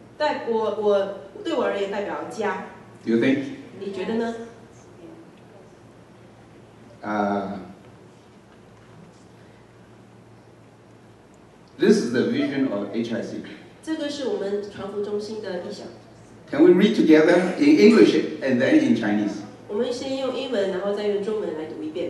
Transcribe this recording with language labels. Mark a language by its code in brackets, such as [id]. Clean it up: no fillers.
[zh] 对我而言代表家。 [en] Do you think? [zh] 你觉得呢？ [en] This is the vision of HIC. [zh] 这个是我们传福中心的意向。 [en] Can we read together in English and then in Chinese? [zh] 我们先用英文，然后再用中文来读一遍。